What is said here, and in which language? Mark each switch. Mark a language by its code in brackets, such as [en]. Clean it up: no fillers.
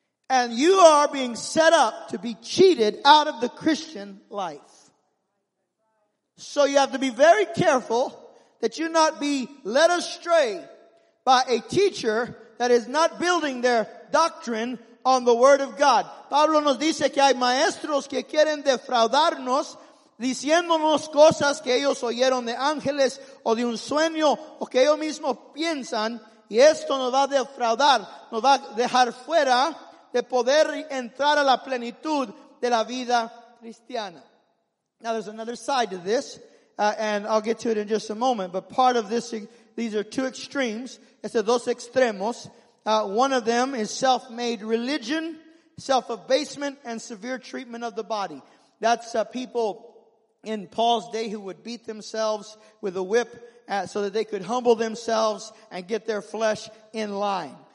[en] And you are being set up to be cheated out of the Christian life. So you have to be very careful that you not be led astray by a teacher that is not building their doctrine on the Word of God. [es] Pablo nos dice que hay maestros que quieren defraudarnos, diciéndonos cosas que ellos oyeron de ángeles o de un sueño o que ellos mismos piensan, y esto nos va a defraudar, nos va a dejar fuera de poder entrar a la plenitud de la vida cristiana. [en] Now there's another side to this, and I'll get to it in just a moment, but part of this, these are two extremes, [es] estos dos extremos. [en] One of them is self-made religion, self-abasement, and severe treatment of the body. That's people in Paul's day who would beat themselves with a whip so that they could humble themselves and get their flesh in line.